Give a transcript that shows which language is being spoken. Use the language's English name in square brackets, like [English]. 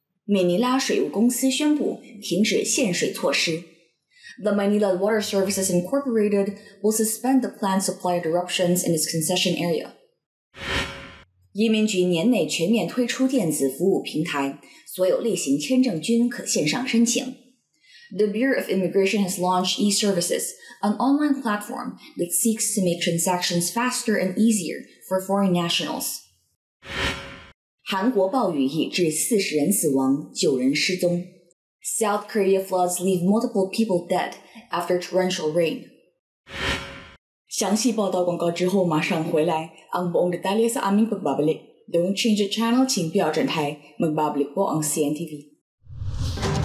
[Chinese] 美尼拉水务公司宣布停止限水措施 [English] The Manila Water Services Incorporated will suspend the planned supply interruptions in its concession area. [Chinese] 移民局年内全面推出电子服务平台，所有类型签证均可线上申请。 [English] The Bureau of Immigration has launched eServices, an online platform that seeks to make transactions faster and easier for foreign nationals. [Chinese] 韩国暴雨已致40人死亡，9人失踪。 [English] South Korea floods leave multiple people dead after torrential rain. [Chinese] 详细报道广告之后马上回来 [Filipino] Ang buong detalye sa aming pagbabalik. [English] Don't change the channel, [Chinese] 请不要转台 [Filipino] Magbabalik po ang CNTV.